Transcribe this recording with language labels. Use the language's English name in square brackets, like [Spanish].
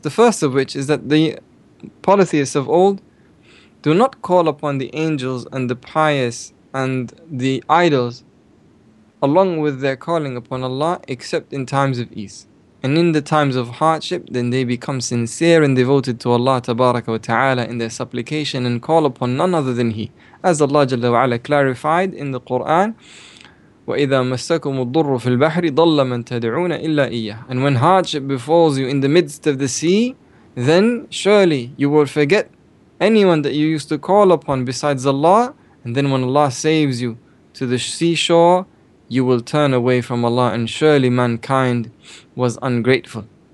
[English] The first of which is that the polytheists of old do not call upon the angels and the pious and the idols along with their calling upon Allah except in times of ease. And in the times of hardship, then they become sincere and devoted to Allah tabaraka wa ta'ala in their supplication and call upon none other than He. As Allah Jalla wa Ala clarified in the Quran, [Arabic] وَإِذَا مَسَّكُمُ الضُّرُّ فِي الْبَحْرِ ضَلَّ مَنْ تَدْعُونَ إِلَّا إِيَّهِ. [English] And when hardship befalls you in the midst of the sea, then surely you will forget anyone that you used to call upon besides Allah. And then when Allah saves you to the seashore, you will turn away from Allah, and surely mankind was ungrateful.